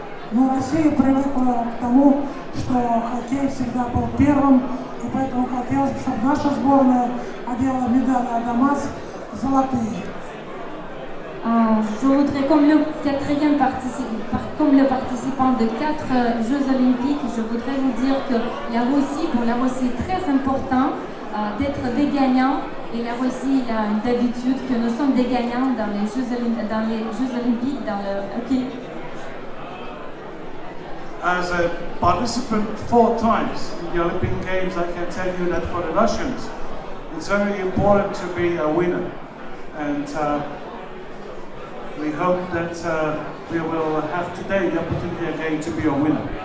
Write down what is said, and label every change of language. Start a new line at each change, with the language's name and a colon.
Russian: Но Россия привыкла к тому, что хоккей всегда был первым, и поэтому хотелось бы, чтобы наша сборная одела медали «Адамас» золотые.
French: Je voudrais, comme le quatrième participant de quatre Jeux Olympiques, je voudrais vous dire que la Russie, pour la Russie, est très important d'être des gagnants. Et la Russie a une habitude que nous sommes des gagnants dans les Jeux Olympiques, dans le hockey.
English: As a participant four times in the Olympic Games, I can tell you that for the Russians, it's very important to be a winner. And we hope that we will have today the opportunity again to be a winner.